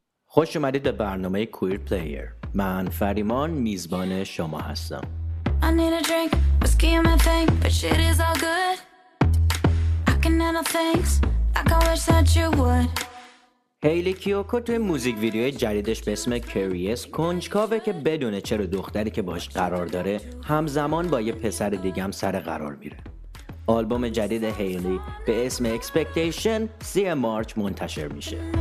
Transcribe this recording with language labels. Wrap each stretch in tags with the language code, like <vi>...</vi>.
<fa>خوش اومدید به برنامه کوییر پلیر. من فریمان میزبان شما هستم.</fa> <en>I need a drink, whiskey and my thing, but shit is all good. I can handle things like I wish that you would.</en> <fa>هیلی کیوکو توی موزیک ویدیوی جدیدش به اسم کریس کنجکاوه که بدونه چرا دختری که باش قرار داره همزمان با یه پسر دیگم سر قرار میره. آلبوم جدید هیلی به اسم اکسپکتیشن 3 مارچ منتشر میشه.</fa>